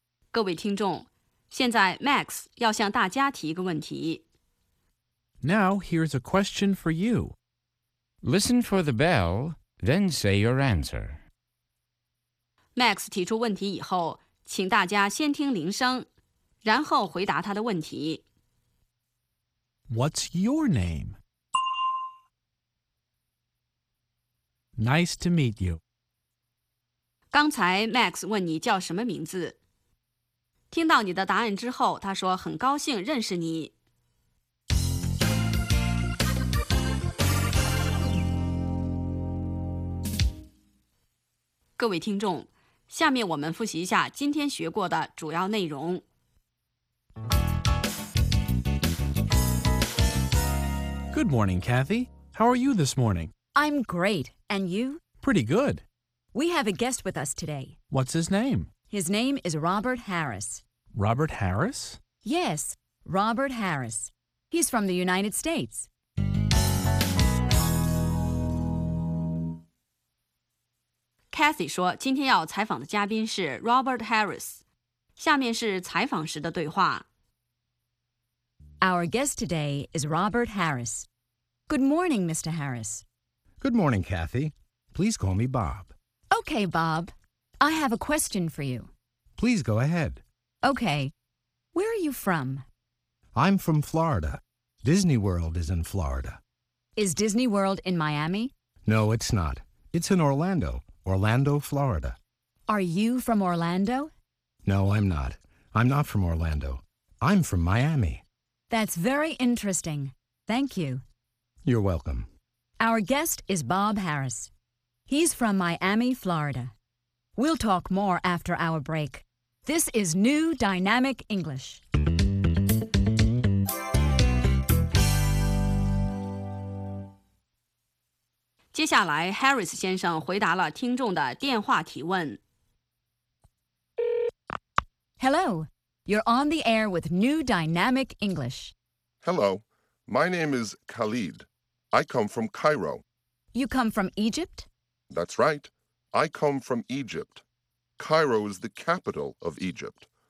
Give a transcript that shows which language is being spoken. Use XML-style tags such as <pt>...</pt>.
<zh>各位听众，现在 Max 要向大家提一个问题。</zh> <en>Now, here's a question for you. Listen for the bell, then say your answer.</en> <zh>Max 提出问题以后，请大家先听铃声，然后回答他的问题。</zh> <en>What's your name? Nice to meet you.</en> <zh>刚才 Max 问你叫什么名字。听到你的答案之后，他说很高兴认识你。各位听众，下面我们复习一下今天学过的主要内容。</zh> <en>Good morning, Kathy. How are you this morning? I'm great. And you? Pretty good. We have a guest with us today. What's his name? His name is Robert Harris. Robert Harris? Yes, Robert Harris. He's from the United States.</en> <zh>Kathy 说今天要采访的嘉宾是 Robert Harris. 下面是采访时的对话。</zh> <en>Our guest today is Robert Harris. Good morning, Mr. Harris. Good morning, Kathy. Please call me Bob. Okay, Bob. I have a question for you. Please go ahead. Okay. Where are you from? I'm from Florida. Disney World is in Florida. Is Disney World in Miami? No, it's not. It's in Orlando. Orlando, Florida. Are you from Orlando? No, I'm not. I'm not from Orlando. I'm from Miami. That's very interesting. Thank you. You're welcome. Our guest is Bob Harris. He's from Miami, Florida. We'll talk more after our break. This is New Dynamic English.</en> <zh>接下来 ，Harris 先生回答了听众的电话提问。</zh> <en>Hello, you're on the air with New Dynamic English. Hello, my name is Khalid. I come from Cairo. You come from Egypt? That's right. I come from Egypt. Cairo is the capital of Egypt.</en>